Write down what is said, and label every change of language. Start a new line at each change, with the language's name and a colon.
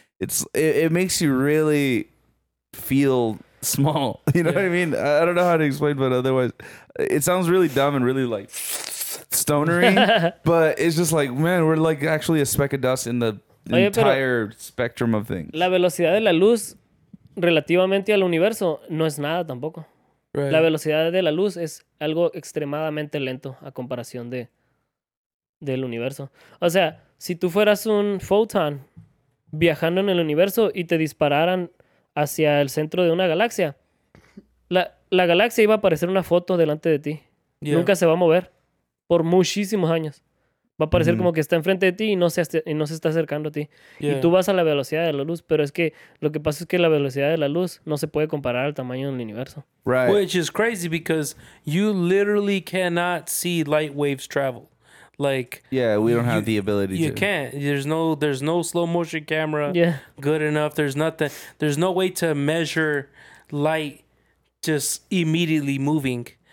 English: It makes you really feel small, you know yeah. what I mean? I don't know how to explain, but otherwise it sounds really dumb and really like stonery, but it's just like, man, we're like actually a speck of dust in the
Spanish: oye,
English: entire spectrum of things.
Spanish: La velocidad de la luz relativamente al universo no es nada tampoco.
English: Right.
Spanish: La velocidad de la luz es algo extremadamente lento a comparación del universo. O sea, si tú fueras un photon viajando en el universo y te dispararan hacia el centro de una galaxia, la galaxia iba a aparecer una foto delante de ti.
English: Yeah.
Spanish: Nunca se va a mover por muchísimos años. Va a parecer mm-hmm. como que está enfrente de ti y no se está acercando a ti.
English: Yeah.
Spanish: Y tú vas a la velocidad de la luz, pero es que lo que pasa es que la velocidad de la luz no se puede comparar al tamaño del universo.
English: Right. Which is crazy because you literally cannot see light waves travel. Like, yeah, we don't have the ability you to. You can't. There's no slow motion camera yeah. good enough. There's nothing. There's no way to measure light just immediately moving.